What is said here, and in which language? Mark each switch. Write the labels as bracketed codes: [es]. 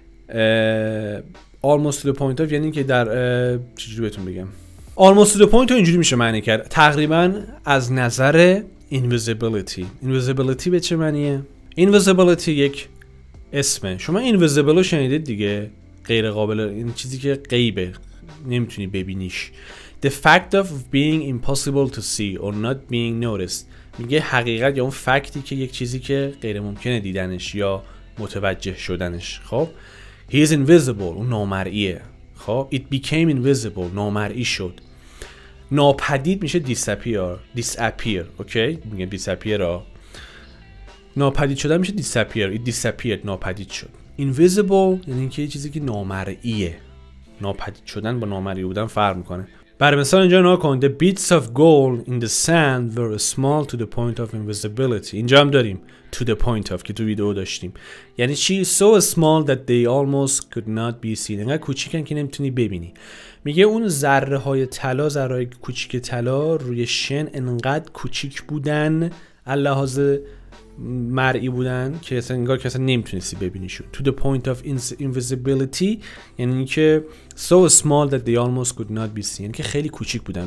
[en] Almost to the point of [fa] یعنی که در چجوری بهتون بگم، [en] almost to the point [fa] اینجوری میشه معنی کرد، تقریبا از نظر invisibility. Invisibility به چه معنیه؟ invisibility یک اسمه، شما invisible رو شنیدید دیگه، غیر قابل، این چیزی که غیبه، نمیتونی ببینیش. [en] The fact of being impossible to see or not being noticed. [fa] میگه حقیقت یا اون فکتی که یک چیزی که غیر ممکنه دیدنش یا متوجه شدنش. [en] خب He is invisible. [fa] اون نامرئیه. [en] خب It became invisible. [fa] نامرئی شد. ناپدید میشه [en] disappear. Disappear. Okay. میگه disappear. [fa] ناپدید شدن میشه disappear. [en] It disappeared. [fa] ناپدید شد. Invisible یعنی که یه چیزی که نامرئیه. ناپدید شدن با نامرئی بودن فرق میکنه. برای مثال اینجا ناکن. [en] The bits of gold in the sand were small to the point of invisibility. [fa] اینجا هم داریم. [en] To the point of که تو video داشتیم. [fa] یعنی چی؟ [en] So small that they almost could not be seen. [fa] اینقدر کوچیکن که نمیتونی ببینی. میگه اون ذره های طلا، ذره های کوچیک طلا روی شن انقدر کوچیک بودن اللحاظ مرئی بودن که اصلا انگار که اصلا نمیتونستی ببینیشون. [en] To the point of invisibility یعنی که so small that they almost could not be seen، [fa] یعنی که خیلی کوچیک بودن.